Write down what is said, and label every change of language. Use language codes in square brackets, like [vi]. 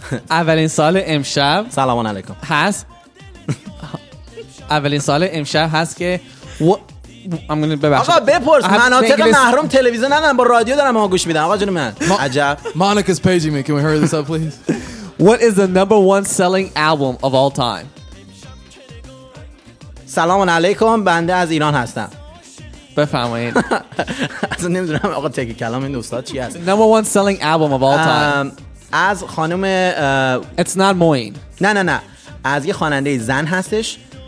[fa] اولین سال امشب سلام علیکم هست. اولین سال امشب هست که [en] I'm gonna [fa] ببخشم آقا بپرس. مناطق محروم تلویزیون ندارم، با رادیو دارم آقا گوش میدن. آقا جون من عجب. [en] Monica's paging me. Can we hurry this up please? What is the number one selling album of all time? [fa] سلام علیکم، بنده از ایران هستم. بفهمید اصلا نمیدونم آقا تکی کلام این دوستا چی هست. [en] Number one selling album of all time [fa] از خانم [en] It's not Moin. [fa] نه نه نه، از یه خواننده زن هستش